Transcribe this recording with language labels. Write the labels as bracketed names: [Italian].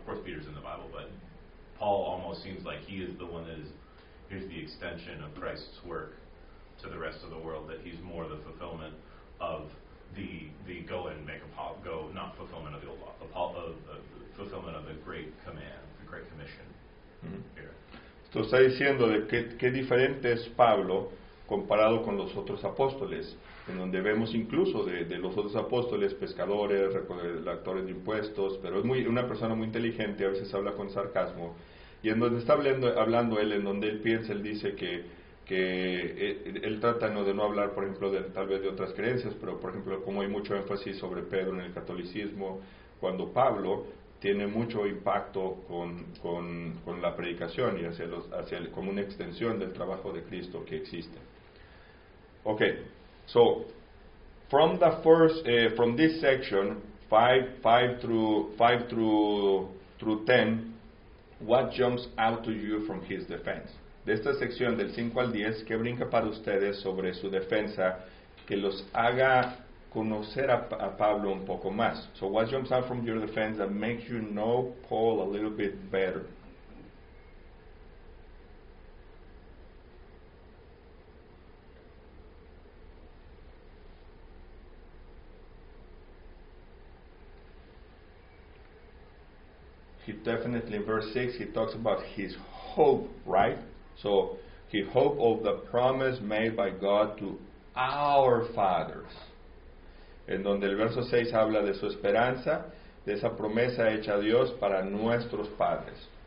[English] Of course, Peter's in the Bible, but Paul almost seems like he is the one that is, here's the extension of Christ's work to the rest of the world, that he's more the fulfillment of the go and make a Paul, go, not fulfillment of the old law, the fulfillment of the great command, the great commission. Mm-hmm. [Spanish] Esto está diciendo de qué diferente es Pablo comparado con los otros apóstoles, en donde vemos incluso de los otros apóstoles, pescadores, recolectores de impuestos, pero es una persona muy inteligente, a veces habla con sarcasmo, y en donde está hablando él, en donde él piensa, él dice que él trata de no hablar, por ejemplo, de tal vez de otras creencias, pero por ejemplo, como hay mucho énfasis sobre Pedro en el catolicismo, cuando Pablo tiene mucho impacto con la predicación y hacia como una extensión del trabajo de Cristo que existe. [English] Okay, so from the first from this section 5 through 10, what jumps out to you from his defense? [Spanish] De esta sección del 5 al 10, ¿qué brinca para ustedes sobre su defensa que los haga conocer a Pablo un poco más? [English] So what jumps out from your defense that makes you know Paul a little bit better? He definitely, in verse 6, he talks about his hope, right? So he hoped of the promise made by God to our fathers. [Spanish] En donde el verso 6 habla de su esperanza, de esa promesa hecha a Dios para nuestros padres.